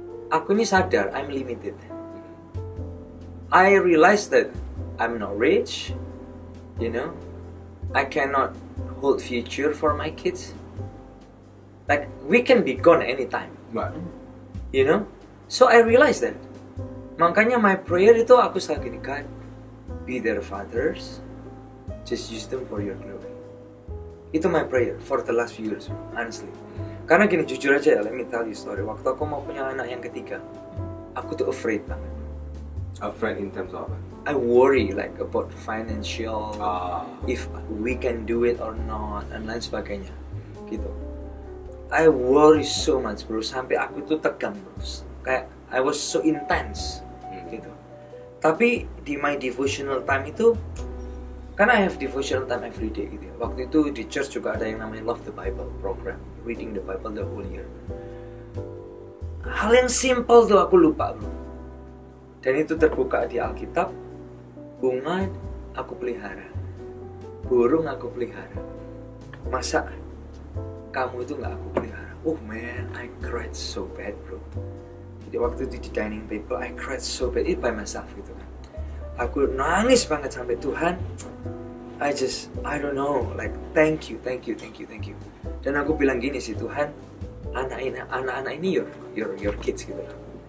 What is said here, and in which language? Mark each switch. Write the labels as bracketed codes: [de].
[id] Aku ini sadar, [en] I'm limited. I realize that I'm not rich, you know, I cannot hold future for my kids. Like, we can be gone anytime, you know. So I realize that. [id] Makanya [en] my prayer [id] itu aku selalu gini, [en] God, be their fathers, just use them for your glory. Itu my prayer for the last few years, honestly. [id] Karena gini, jujur aja ya, [en] let me tell you story. [id] Waktu aku mau punya anak yang ketiga, aku tuh afraid banget. [en] Afraid in terms of? I worry like about financial, if we can do it or not, and [id] lain sebagainya, gitu. [en] I worry so much, bro, [id] sampai aku tuh tegang, [en] bro. Kayak, I was so intense, gitu. [id] Tapi, di [en] my devotional time [id] itu, karena [en] I have devotional time every day, gitu. [id] Waktu itu di [en] church [id] juga ada yang namanya [en] Love the Bible program, reading the Bible the whole year. [id] Hal yang simple tuh aku lupa, bro. Dan itu terbuka di Alkitab, bunga aku pelihara, burung aku pelihara, masa kamu itu gak aku pelihara? [en] Oh man, I cried so bad, bro. [id] Jadi waktu itu di [en] dining table, I cried so bad, it by myself [id] gitu kan. Aku nangis banget sampai Tuhan, [en] I don't know, like thank you. [id] Dan aku bilang gini sih, Tuhan, anak-anak ini [en] your kids [id] gitu kan.